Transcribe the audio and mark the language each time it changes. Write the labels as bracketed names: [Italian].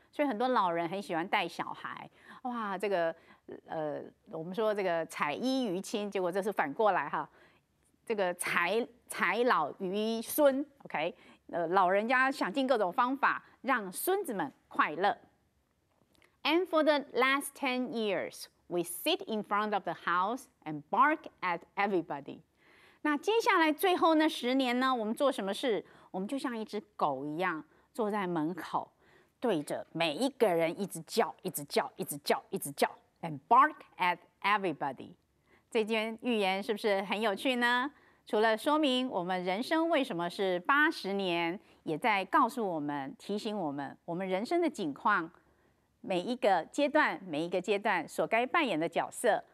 [Chinese] 所以很多老人很喜欢带小孩，哇，这个我们说这个采衣娱亲，结果这是反过来哈，这个采老娱孙 ，OK? 老人家想尽各种方法让孙子们快乐。 [English] And for the last 10 years, we sit in front of the house and bark at everybody. [Chinese] 那接下来最后那十年呢，我们做什么事？我们就像一只狗一样坐在门口，对着每一个人一直叫，一直叫，一直叫，一直叫 ， [English] and bark at everybody。 [Chinese] 这间寓言是不是很有趣呢？除了说明我们人生为什么是80年，也在告诉我们、提醒我们，我们人生的景况，每一个阶段、每一个阶段所该扮演的角色。